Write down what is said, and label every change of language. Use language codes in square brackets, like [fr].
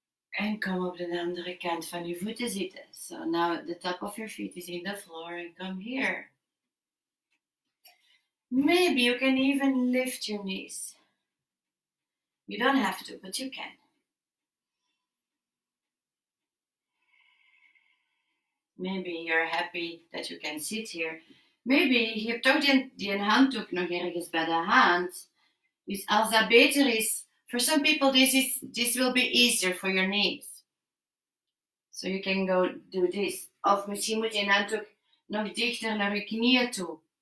[nl] En kom op de andere kant van je voeten zitten. [en] So now the top of your feet is in the floor and come here. Maybe you can even lift your knees. You don't have to, but you can. Maybe you're happy that you can sit here. [nl] Maybe je hebt ook die handdoek nog ergens bij de hand. Dus als dat beter is, [en] for some people this will be easier for your knees. So you can go do this. [nl] Of misschien moet je handdoek nog dichter naar je knieën toe.